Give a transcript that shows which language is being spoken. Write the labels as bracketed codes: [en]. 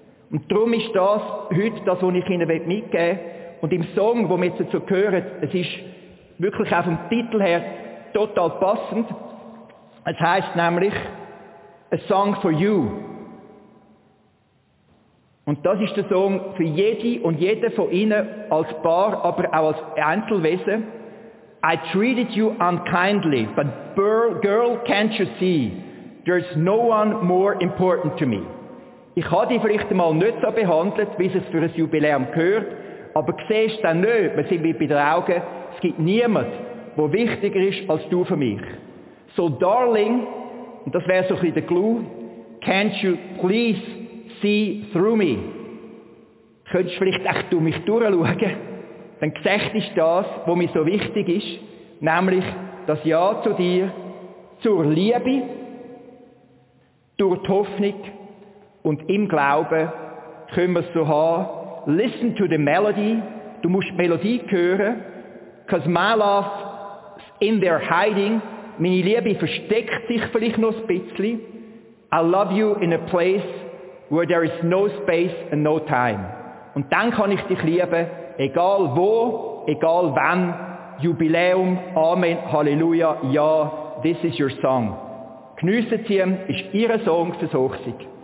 [de] Und darum ist das heute das, was ich Ihnen mitgeben möchte. Und im Song, den wir dazu hören, es ist wirklich auch vom Titel her total passend. Es heisst nämlich «A Song for You». Und das ist der Song für jede und jeden von Ihnen als Paar, aber auch als Einzelwesen. [en] I treated you unkindly, but girl, can't you see? There's no one more important to me. [de] Ich habe dich vielleicht mal nicht so behandelt, wie es für ein Jubiläum gehört, aber siehst du nicht, wir sind bei den Augen, es gibt niemanden, der wichtiger ist als du für mich. [en] So darling, [de] und das wäre so ein bisschen der Clou, [en] can't you please see through me? [de] Könntest du vielleicht echt durch mich durchschauen? Dann gesagt ist das, was mir so wichtig ist, nämlich das Ja zu dir, zur Liebe, durch die Hoffnung und im Glauben können wir es so haben. [en] Listen to the melody, [de] du musst die Melodie hören, [en] because my love's in their hiding, [de] meine Liebe versteckt sich vielleicht noch ein bisschen. [en] I love you in a place where there is no space and no time. [de] Und dann kann ich dich lieben, egal wo, egal wann, Jubiläum, Amen, Halleluja, ja, [en] this is your song. [de] Geniessen Sie ihn, ist Ihr Song fürs Hochzeit.